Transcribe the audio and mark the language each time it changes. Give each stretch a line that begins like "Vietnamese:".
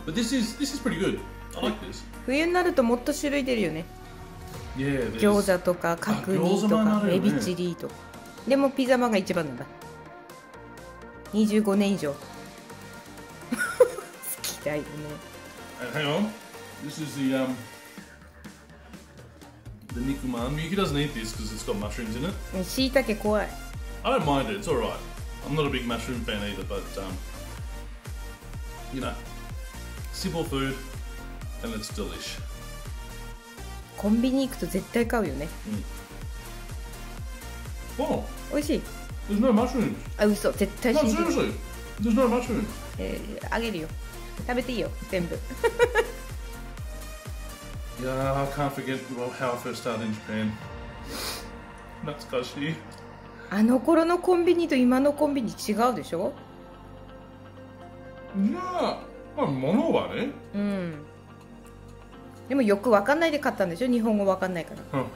English: But this is pretty good. I like this.
Japanese: 冬になるともっと種類出るよね。
English: Yeah,
Japanese: 餃子とか角煮とか、ね、エビチリとか。でもピザマンが一番なんだ。 25年以上。好きだよね。
English: Hang on. This is the 肉まん。 Miki doesn't eat this because it's got mushrooms in it.
Japanese: しいたけ怖い。
English: I don't mind it. It's alright. I'm not a big mushroom fan either, but you know, simple food. And it's delish.
Japanese: コンビニ行くと絶対買うよね。うん。お、美味しい。
English: There's no mushrooms.
Japanese: あ、嘘、絶対信じる。
English: No, seriously. There's no mushrooms.
Japanese: あげるよ。食べていいよ、全部。
English: Yeah, I can't forget how I first started in Japan.
Japanese: 懐かしい。あの頃のコンビニと今のコンビニ違うでしょ？いや、まあ物はね。うん。でもよく分かんないで買ったんでしょ日本語分かんないから。